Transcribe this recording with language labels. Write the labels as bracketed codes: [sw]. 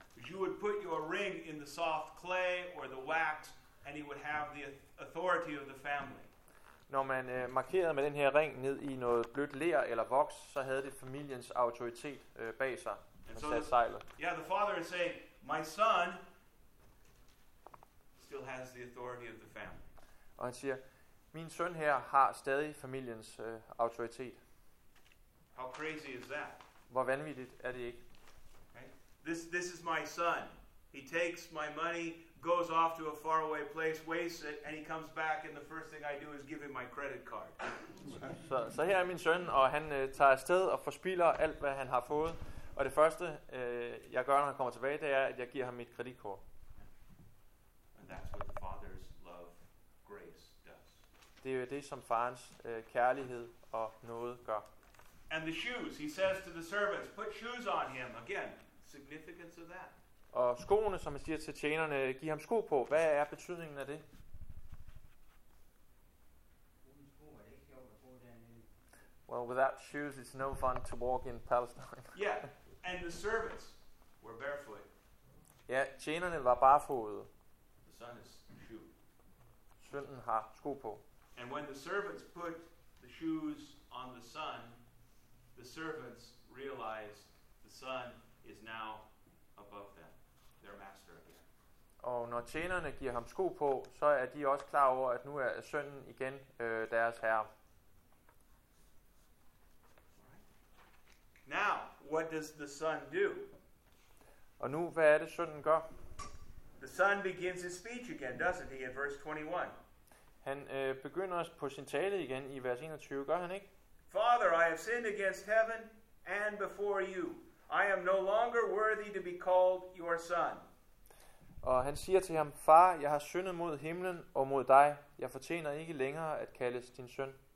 [en] You would put your ring in the soft clay or the wax, and it would have the authority of the family. [da] Når man markerede med den her ring ned i noget blødt ler eller voks, så havde det familiens autoritet bag sig. [en] Yeah, the father is saying, my son still has the authority of the family. [da] Og han siger, min søn her har stadig familiens autoritet. [en] How crazy is that? [da] Hvor vanvittigt er det ikke? [en] Okay. This is my son. He takes my money, goes off to a faraway place, wastes it, and he comes back, and the first thing I do is give him my credit card. [da] Så her er min søn, og han tager afsted og forspiller alt, hvad han har fået. Og det første, jeg gør, når han kommer tilbage, det er, at jeg giver ham mit kreditkort. [en] And that's what the father's love, grace does. [da] Det er jo det, som farens kærlighed og nåde gør. [en] And the shoes, he says to the servants, put shoes on him. Again, significance of that. [da] Og skoene, som han siger til tjenerne, giv ham sko på. Hvad er betydningen af det? [en] Well, without shoes, it's no fun to walk in Palestine. Yeah, and the servants were barefoot. [da] Ja, tjenerne var barefodede. [en] The son is shoe. [da] Sønnen har sko på. [en] And when the servants put the shoes on the son, the servants realize the son is now above them, their master again. [da] Og når tjenerne giver ham sko på, så er de også klar over, at nu er sønnen igen deres herre. [en] Now, what does the son do? [da] Og nu, hvad er det, sønnen gør? [en] The son begins his speech again, doesn't he, in verse 21? [da] Han begynder på sin tale igen i vers 21, gør han ikke? [en] Father, I have sinned against heaven and before you. I am no longer worthy to be called your son. [da] Og han siger til ham, far, jeg har syndet mod himlen og mod dig. Jeg fortjener ikke længere at kaldes din søn.